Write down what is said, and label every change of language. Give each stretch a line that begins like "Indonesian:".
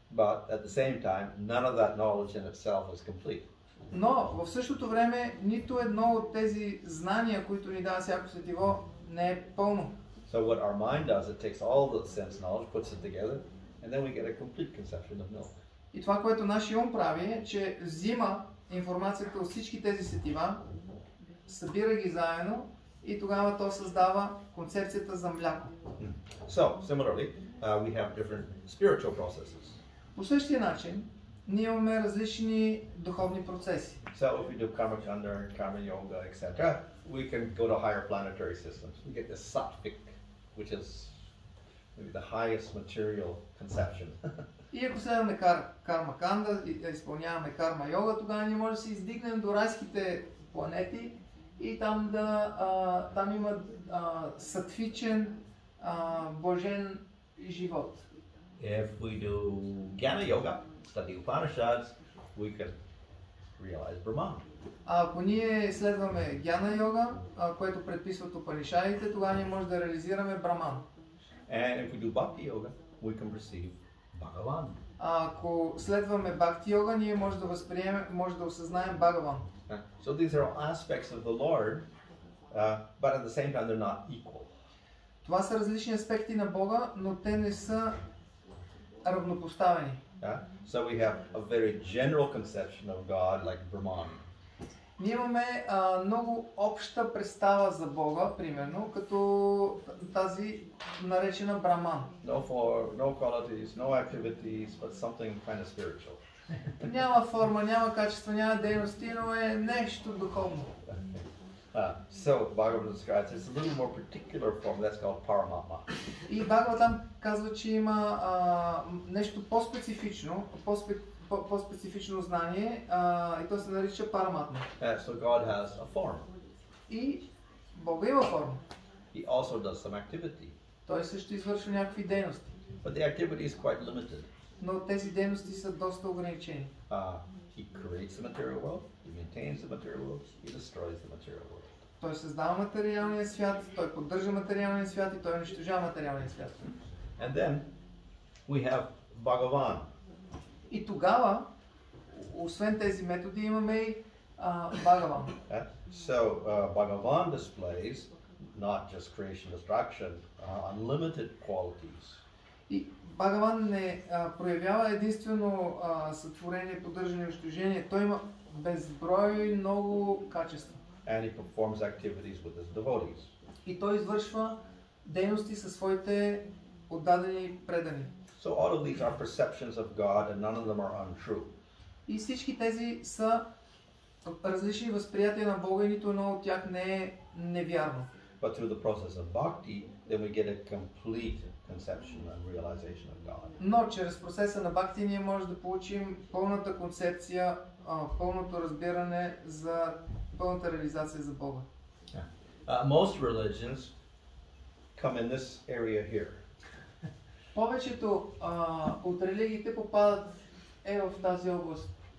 English: But at the same time, none of that knowledge in itself is complete.
Bulgarian: Но в същото време, нито едно от тези знания, които ни дава всяко сетиво, не е пълно.
English: So what our mind does, it takes all the sense knowledge, puts it together, and then we get a complete conception of milk.
Bulgarian: И това, което нашия ум прави, е, че взима информацията от всички тези сетива, събира ги заедно и тогава то създава концепцията за мляко.
English: So, similarly, we have different spiritual processes.
Bulgarian: По същия начин, ние имаме различни духовни процеси.
English: So if we do karma chanda, karma yoga, etc., we can go to higher planetary systems. We get the sattvic, which is maybe the highest material conception.
Bulgarian: И ако следваме карма канда и изпълняваме карма йога, тогава ние може да се издигнем до райските планети и там да там има сатвичен божен живот.
English: If we do gyana yoga, study Upanishads, we can realize Brahman.
Bulgarian: Ако ние следваме гьяна йога, което предписват упанишадите, тогава ние можем да реализираме Браман.
English: And if we do bhakti yoga, we can perceive Bhagavan.
Bulgarian: Ако следваме бхакти йога, ние можем да възприемем, можем да осъзнаем Бхагаван.
English: So these are all aspects of the Lord, but at the same time they're not equal.
Bulgarian: Това са различни аспекти на Бога, но те не са равнопоставени.
English: So we have a very general conception of God like Brahman.
Bulgarian: Ние имаме много обща представа за Бога, примерно, като тази наречена Браман.
English: No form, no qualities, no activities, but something kind of spiritual.
Bulgarian: Няма форма, няма качество, няма дейности, но е нещо духовно.
English: So Bhagavad describes it's a little more particular form, that's called Paramatma.
Bulgarian: И Бхагава там казва, че има нещо по-специфично, по-специфично знание, и то се нарича Параматма.
English: So God has a form.
Bulgarian: И Бога има форма.
English: He also does some activity.
Bulgarian: Той също извършва някакви дейности.
English: But the activity is quite limited.
Bulgarian: Но тези дейности са доста ограничени.
English: He creates the material world, he maintains the material world, he destroys the material world.
Bulgarian: Той създава материалния свят, той поддържа материалния свят и той унищожава материалния свят.
English: And then we have Bhagavan.
Bulgarian: И тогава, освен тези методи, имаме и Бхагаван.
English: So Bhagavan displays not just creation destruction, unlimited qualities.
Bulgarian: И Бхагаван не проявява единствено сътворение, поддържане и унищожение. Той има безброй много качества.
English: And he performs activities with his devotees.
Bulgarian: И той извършва дейности със своите отдадени предани.
English: So all of these are perceptions of God and none of them are untrue.
Bulgarian: И всички тези са различни възприятия на Бога и нито едно от тях не е невярно.
English: But through the process of bhakti, then we get a complete conception and realization of God.
Bulgarian: Но чрез процеса на бхакти ние можем да получим пълната концепция, пълното разбиране за пълната реализация за Бога.
English: Most religions come in this area here.
Bulgarian: Повечето от религиите попадат в тази област.